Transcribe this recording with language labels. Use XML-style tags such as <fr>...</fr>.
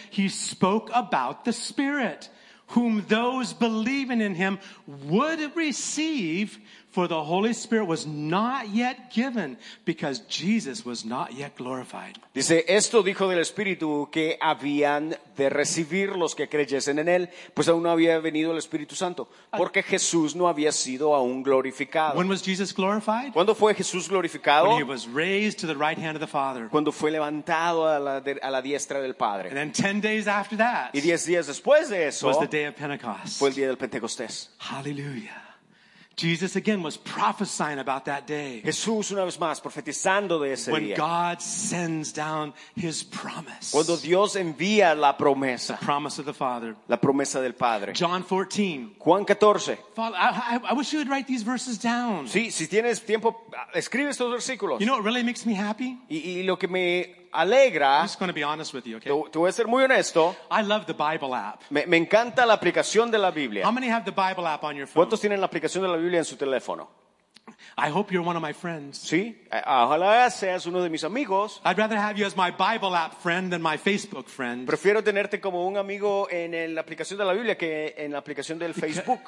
<en>He spoke about the Spirit, whom those believing in him would receive, for the Holy Spirit was not yet given, because Jesus was not yet glorified.</en> <es>Dice, esto dijo del Espíritu que habían de recibir los que creyesen en él, pues aún no había venido el Espíritu Santo, porque Jesús no había sido aún glorificado.</es> <en>When was Jesus glorified?</en> <es>¿Cuándo fue Jesús glorificado?</es> <en>When he was raised to the right hand of the Father.</en> <es>Cuando fue levantado a la diestra del Padre.</es> <en>And then 10 days after that,</en> <es>y 10 días después de eso,</es> <en>was the day of Pentecost.</en> <es>Fue el día del Pentecostés.</es> <en>Hallelujah. Jesus again was prophesying about that day.</en> <es>Jesús una vez más profetizando de ese</es> <en>when</en> <es>día.</es> <en>When God sends down his promise.</en> <es>Cuando Dios envía la promesa.</es> <en>The promise of the Father.</en> <es>La promesa del Padre.</es> <en>John 14.</en> <es>Juan 14.</es> <en>I wish you would write these verses down.</en> <es>Sí, si tienes tiempo, escribe estos versículos.</es> <en>You know what really makes me happy?</en> <es>Y lo que me alegra.</es> <en>I'm just going to be honest with you, okay?</en> <es>Te voy a ser muy honesto.</es> <en>I love the Bible app.</en> <es>Me encanta la aplicación de la Biblia.</es> <en>How many have the Bible app on your phone?</en> <es>¿Cuántos tienen la aplicación de la Biblia en su teléfono?</es> <en>I hope you're one of my friends.</en> <es>Sí, ojalá seas uno de mis amigos.</es> <en>I'd rather have you as my Bible app friend than my Facebook friend.</en> <es>Prefiero tenerte como un amigo en la aplicación de la Biblia que en la aplicación del Facebook.</es>